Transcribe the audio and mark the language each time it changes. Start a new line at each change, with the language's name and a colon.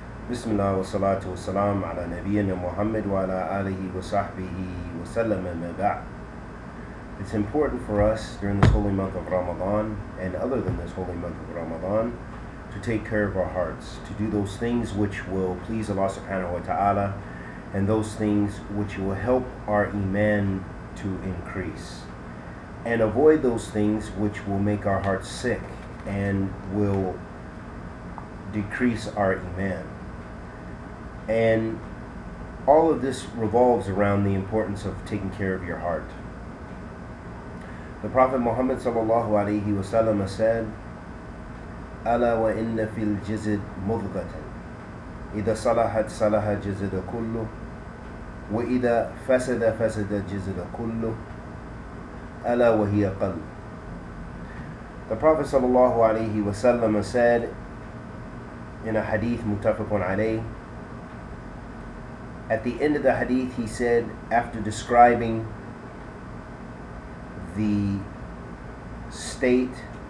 Arabic: بسم الله والصلاة والسلام على نبينا محمد وعلى آله وصحبه وسلم أما بعد.
English: It's important for us during this holy month of Ramadan, and other than this holy month of Ramadan, to take care of our hearts, to do those things which will please Allah subhanahu wa ta'ala, and those things which will help our iman to increase, and avoid those things which will make our hearts sick and will decrease our iman. And all of this revolves around the importance of taking care of your heart.
Arabic: The Prophet Muhammad sallallahu alayhi wa sallam said, أَلَا وَإِنَّ فِي الْجِزِدْ مُضْغَةً إِذَا صَلَحَتْ صَلَحَ جِزِدَ كُلُّ وَإِذَا فَسَدَ فَسَدَ جِزِدَ كُلُّ أَلَا وَهِيَ قَلْبٌ.
English: The Prophet sallallahu alayhi wa sallam said in a hadith muttafaqun alayhi, at the end of the hadith he said, after describing the state